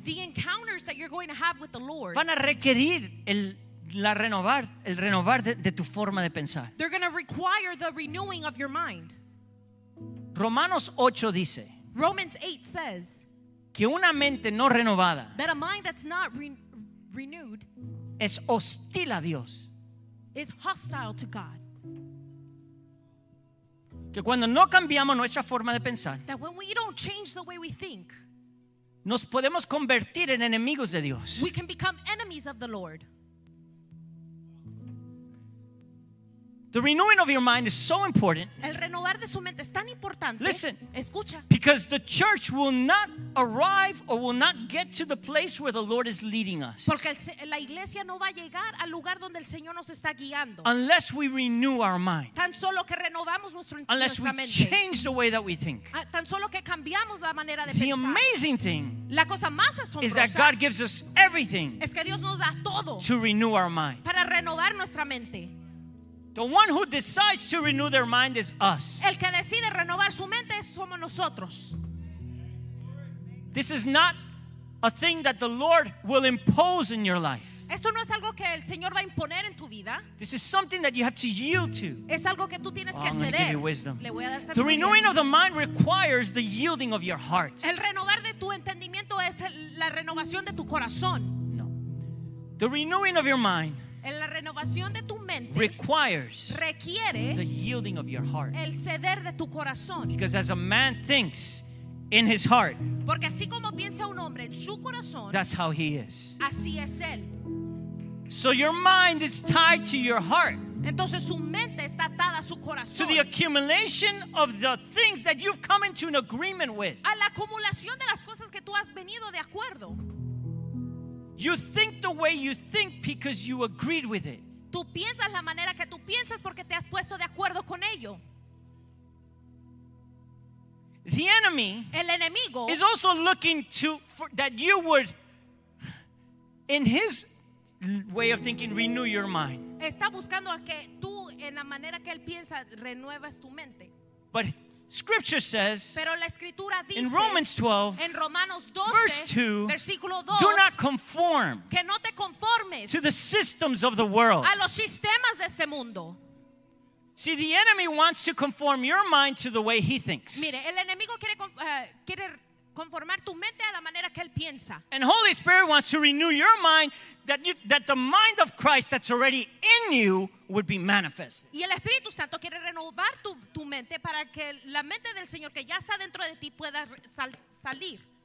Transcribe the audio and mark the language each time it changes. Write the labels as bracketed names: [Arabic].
[English] The encounters that you're going to have with the Lord. [Spanish] Van a requerir el renovar de tu forma de pensar. [English] They're going to require the renewing of your mind. [Spanish] Romanos 8 dice. [English] Romans 8 says. [Spanish] Que una mente no renovada. [English] That a mind that's not renewed. [Spanish] Es hostil a Dios. [English] Is hostile to God. [Spanish] Que cuando no cambiamos nuestra forma de pensar. [English] That when we don't change the way we think. [Spanish] Nos podemos convertir en enemigos de Dios. [English] We can become enemies of the Lord. The renewing of your mind is so important. [Spanish] El renovar de su mente es tan importante. [English] Listen, [Spanish] escucha. [English] Because the church will not arrive or will not get to the place where the Lord is leading us. [Spanish] Porque la iglesia no va a llegar al lugar donde el Señor nos está guiando. [English] Unless we renew our mind. [Spanish] Tan solo que renovamos nuestra mente. [English] Unless we change the way that we think. [Spanish] Tan solo que cambiamos la manera de pensar. [English] The amazing thing. [Spanish] La cosa más asombrosa. [English] Is that God gives us everything. [Spanish] Es que Dios nos da todo. [English] To renew our mind. [Spanish] Para renovar nuestra mente. [English] The one who decides to renew their mind is us. [Spanish] El que decide renovar su mente somos nosotros. [English] This is not a thing that the Lord will impose in your life. [Spanish] Esto no es algo que el Señor va a imponer en tu vida. [English] This is something that you have to yield to. [Spanish] Es algo que tú tienes que ceder. [English] I'm going to give you wisdom. [Spanish] Le voy a dar [English] the renewing of the mind requires the yielding of your heart. [Spanish] El renovar de tu entendimiento es la renovación de tu corazón. [English] No. The renewing of your mind. [Spanish] La renovación de tu mente [English] requires [Spanish] requiere [English] the yielding of your heart. [Spanish] El ceder de tu corazón. [English] Because as a man thinks in his heart, [Spanish] porque así como piensa un hombre en su corazón, [English] that's how he is. [Spanish] Así es él. [English] So your mind is tied to your heart. [Spanish] Entonces su mente está atada a su corazón. [English] To the accumulation of the things that you've come into an agreement with. [Spanish] A la acumulación de las cosas que tú has venido de acuerdo. [English] You think the way you think because you agreed with it. [Spanish] Tú piensas la manera que tú piensas porque te has puesto de acuerdo con ello. [English] The enemy, [Spanish] el enemigo, [English] is also looking to for, that you would, in his way of thinking, renew your mind. [Spanish] Está buscando a que tú, en la manera que él piensa, renuevas tu mente. [English] But Scripture says, [Spanish] pero la escritura dice, [English] in Romans 12, [Spanish] en Romanos 12, [English] verse 2, [Spanish] versículo 2, [English] do not conform, [Spanish] que no te conformes, [English] to the systems of the world. [Spanish] A los sistemas de este mundo. [English] See, the enemy wants to conform your mind to the way he thinks. [Spanish] Mire, el enemigo quiere quiere conformar tu mente a la manera que él piensa. [English] And Holy Spirit wants to renew your mind that the mind of Christ that's already in you would be manifest. [Spanish] Y el Espíritu Santo quiere renovar tu mente para que la mente del Señor que ya está dentro de ti pueda salir.